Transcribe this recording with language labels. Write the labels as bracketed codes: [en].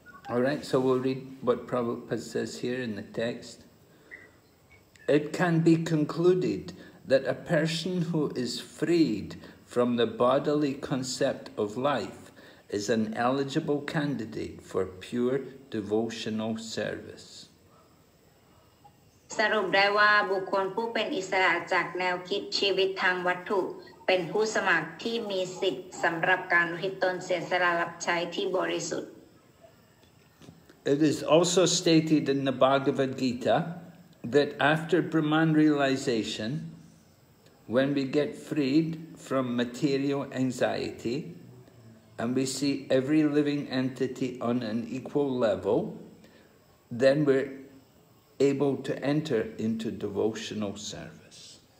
[en] All right, so we'll read what Prabhupada says here in the text. It can be concluded that a person who is freed from the bodily concept of life is an eligible candidate for pure devotional service. [th] สรุปได้ว่าบุคคลผู้เป็นอิสระจากแนวคิดชีวิตทางวัตถุเป็นผู้สมัครที่มีสิทธิ์สำหรับการอุทิศตนเสียสละรับใช้ที่บริสุทธิ์ [en] It is also stated in the Bhagavad Gita that after Brahman realization, when we get freed from material anxiety and we see every living entity on an equal level, then we're able to enter into devotional service.